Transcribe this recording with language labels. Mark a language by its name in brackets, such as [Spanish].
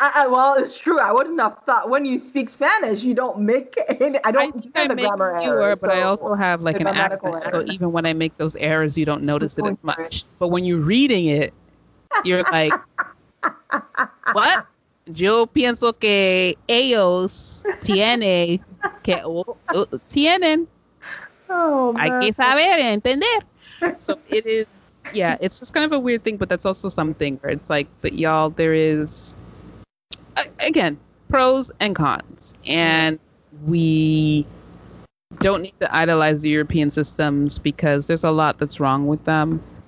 [English] Well, it's true. I wouldn't have thought when you speak Spanish, you don't make any. I make grammar errors. But so I also have like an accent. Error. So even when I make those errors, you don't notice it as much. But when you're reading it, you're like, what? [Spanish] Yo pienso que ellos tienen que saber entender. [English] So it is, yeah, it's just kind of a weird thing, but that's also something where it's like, but y'all, there is, again, pros and cons. And we don't need to idolize the European systems because there's a lot that's wrong with them.